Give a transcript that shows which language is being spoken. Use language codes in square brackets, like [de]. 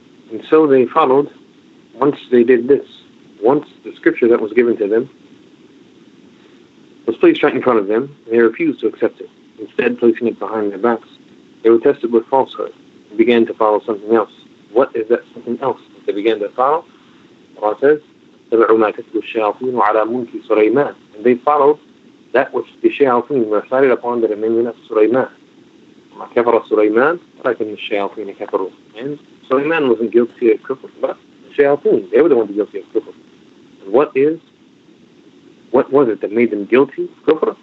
[en] And so they followed, once they did this, once the scripture that was given to them was placed right in front of them, they refused to accept it. Instead, placing it behind their backs, they were tested with falsehood and began to follow something else. What is that something else that they began to follow? Allah says, [ar] اتبعوا ما تتلو الشياطين وعلى ملك سليمان. [en] And they followed that which the shayateen recited upon the dominion of Sulaiman. [ar] كَفَرَ سُلَيْمَان وَلَكِنْ الشَّيَاطِينِ كَفَرُوا. [en] And Sulaiman wasn't guilty of kufr, but the shayateen, they were the ones guilty of kufr. And what was it that made them guilty of kufr?